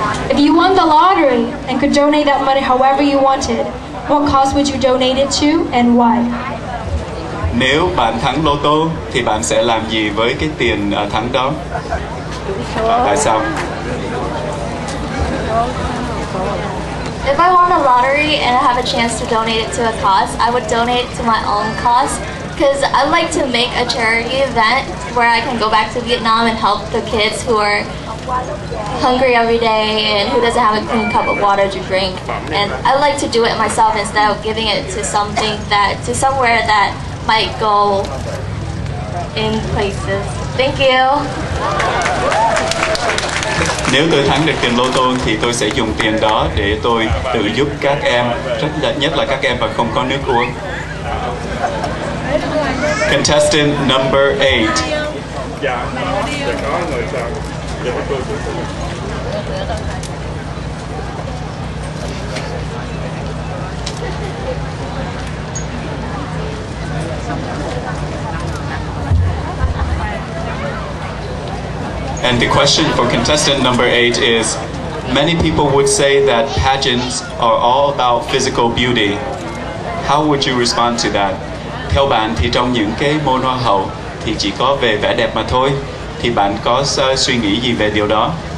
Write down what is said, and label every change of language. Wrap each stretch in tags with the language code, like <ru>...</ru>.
<en>If you won the lottery and could donate that money however you wanted, what cause would you donate it to and why?</en> <vi>Nếu bạn thắng lô tô thì bạn sẽ làm gì với cái tiền thắng đó? Tại sao?</vi> <en>If I won the lottery and I have a chance to donate it to a cause, I would donate it to my own cause because I'd like to make a charity event where I can go back to Vietnam and help the kids who are hungry every day and who doesn't have a clean cup of water to drink. And I like to do it myself instead of giving it to something that, to somewhere that might go in places. Thank you.</en> <vi>Nếu tôi thắng được tiền lô tô thì tôi sẽ dùng tiền đó để tôi tự giúp các em, nhất là các em mà không có nước uống.</vi> <en>Contestant number 8. And the question for contestant number 8 is, many people would say that pageants are all about physical beauty. How would you respond to that?</en> <vi>Theo bạn thì trong những cái môn hoa hậu thì chỉ có về vẻ đẹp mà thôi. Thì bạn có suy nghĩ gì về điều đó?</vi>